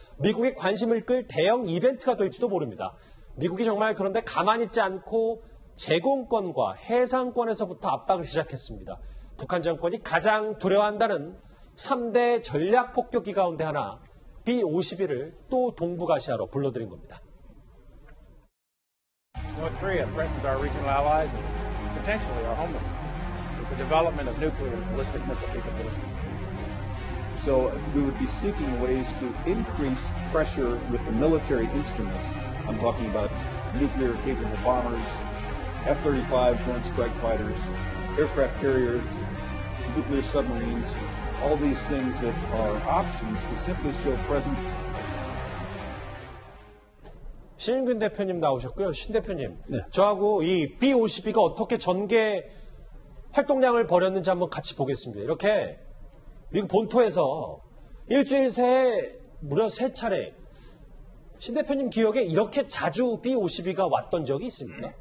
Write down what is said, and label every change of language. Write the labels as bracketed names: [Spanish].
[Korean] 미국이 관심을 끌 대형 이벤트가 될지도 모릅니다. 미국이 정말 그런데 가만히 있지 않고 제공권과 해상권에서부터 압박을 시작했습니다. 북한 정권이 가장 두려워한다는 3대 전략 폭격기 가운데 하나, B-51을 또 동북아시아로 불러들인 겁니다. [English] North Korea threatens our regional allies and potentially our homeland. The development of nuclear and ballistic missile capability. So we would be seeking ways to increase pressure with the military instrument. I'm talking about nuclear capable bombers, F-35 joint strike fighters, aircraft carriers, nuclear submarines, all these things that are options to simply show presence. [Korean] 신근 대표님 나오셨고요. 신 대표님. 네. 저하고 이 B-52가 어떻게 전개 활동량을 벌였는지 한번 같이 보겠습니다. 이렇게 미국 본토에서 일주일 새 무려 세 차례 신 대표님 기억에 이렇게 자주 B-52가 왔던 적이 있습니까?